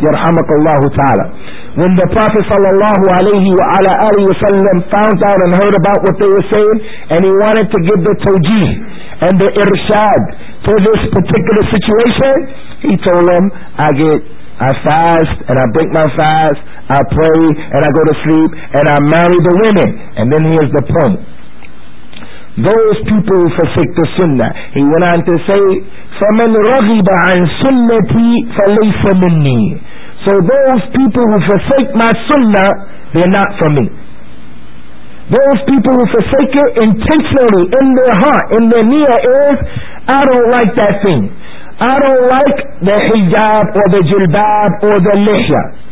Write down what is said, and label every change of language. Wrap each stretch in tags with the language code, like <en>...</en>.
<en>Yarhamakallahu ta'ala. When the Prophet sallallahu alayhi wa ala alayhi wa sallam found out and heard about what they were saying, and he wanted to give the tawjih and the irshad to this particular situation, he told them, I get I fast and I break my fast. I pray and I go to sleep and I marry the women. And then here's the point. Those people who forsake the sunnah. He went on to say,</en> <ar>فَمَنْ رَغِبَ عَنْ سُنَّتِي فَلَيْسَ مِنِّي.</ar> <en>So those people who forsake my sunnah, they're not for me. Those people who forsake it intentionally in their heart, in their near ears, I don't like that thing. I don't like the hijab or the jilbab or the lihya.</en>